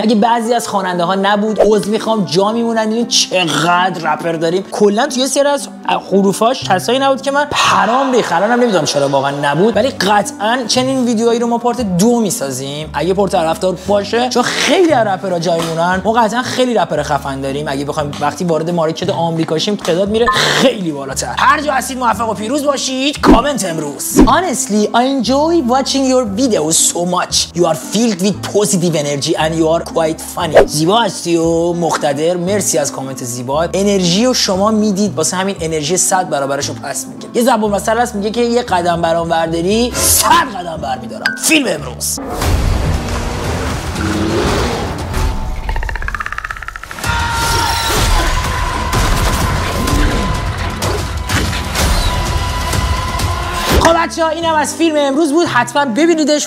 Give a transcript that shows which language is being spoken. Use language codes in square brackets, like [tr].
[fa] اگه بعضی از خواننده ها نبود عذر میخوام، جا میمونن. ببین چقدر رپر داریم، کلا توی یه سری از حروفاش کسایی نبود که من پرام ریخ. الانم نمیدونم چرا واقعا نبود، ولی قطعا چنین ویدیوهایی رو ما پارت دو میسازیم اگه پر طرفدار باشه، چون خیلی رپرا جا میمونن. ما قطعا خیلی رپر خفن داریم، اگه بخوایم وقتی وارد مارکت آمریکا شیم تعداد میره خیلی بالاتر. هر جو هستید موفق و پیروز باشید. کامنت امروز: [en] Honestly, I enjoy watching your videos so much. You are filled with positive energy and you are quite funny. [fa] زیبا هستی و مقتدر، مرسی از کامنت زیبات. انرژی رو شما میدید، واسه همین انرژی 100 برابرش رو پس میگیرم. یه زبون مثل هست میگه که یه قدم برام برداری 100 قدم برمیدارم. فیلم امروز: بچه ها اینم از فیلم امروز بود، حتما ببینیدش.